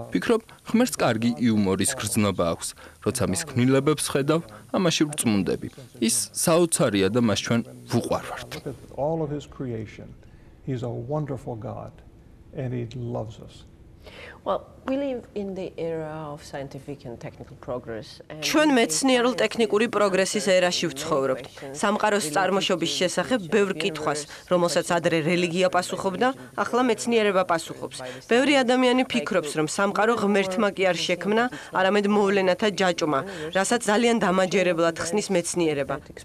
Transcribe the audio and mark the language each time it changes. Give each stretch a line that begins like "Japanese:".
Georgian: ფიქრობ, ღმერთს კარგი იუმორის გრძნობა აქვს. როცა მის ქმნილებებს ხედავ, ამაში ვწმუნდები. ის საოცარია და მას ჩვენ ვუყვარვართ.
English: All of his creation. He's a wonderful God and he loves us. Well, we live in the era of scientific and technical progress.
Georgian: ჩვენ მეცნიერულ ტექნიკური პროგრესის ერაში ვცხოვრობთ. სამყაროს წარმოშობის შესახებ ბევრ კითხვას, რომელსაც ადრე რელიგია პასუხობდა, ახლა მეცნიერება პასუხობს. ბევრი ადამიანი ფიქრობს, რომ სამყარო ღმერთმა კი არ შექმნა, არამედ მოვლენათა ჯაჭვმა, რასაც ძალიან დამაჯერებლად ხსნის მეცნიერება.